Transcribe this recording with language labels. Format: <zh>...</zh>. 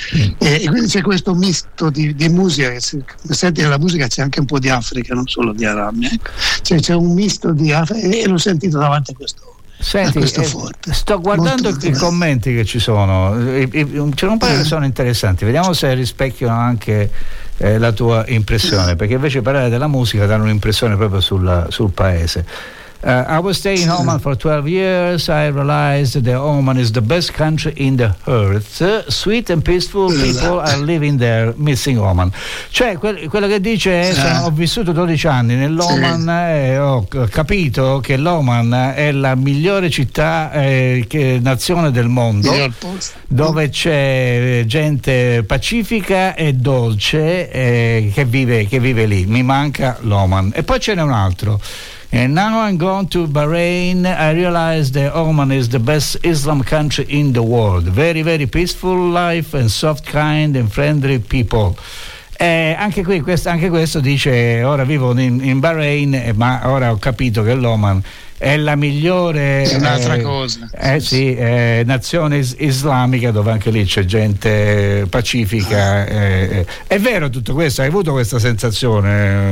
<it>E quindi c'è questo misto di musica, come senti nella musica c'è anche un po' di Africa, non solo di Arabia, cioè c'è un misto di Africa, e l'ho sentito davanti a questo. Senti, sto guardando i commenti che ci sono, ce ne un paio che sono interessanti, vediamo se rispecchiano anche la tua impressione, perché invece parlare della musica dà un'impressione proprio sul paese.</it> <en>I was staying in Oman for 12 years. I realized that Oman is the best country in the earth. Sweet and peaceful people are living there, missing Oman.</en> <it>Cioè, quello che dice è: ho vissuto 12 anni nell'Oman e ho capito che l'Oman è la migliore città nazione del mondo, dove c'è gente pacifica e dolce che vive lì. Mi manca l'Oman. E poi ce n'è un altro.</it> <en>And now I'm going to Bahrain. I realize that Oman is the best Islam country in the world. Very, very peaceful life and soft, kind and friendly people.</en> <it>Anche questo dice: ora vivo in Bahrain, ma ora ho capito che l'Oman è la migliore. È un'altra cosa. Nazione islamica, dove anche lì c'è gente pacifica. È vero tutto questo? Hai avuto questa sensazione?</it>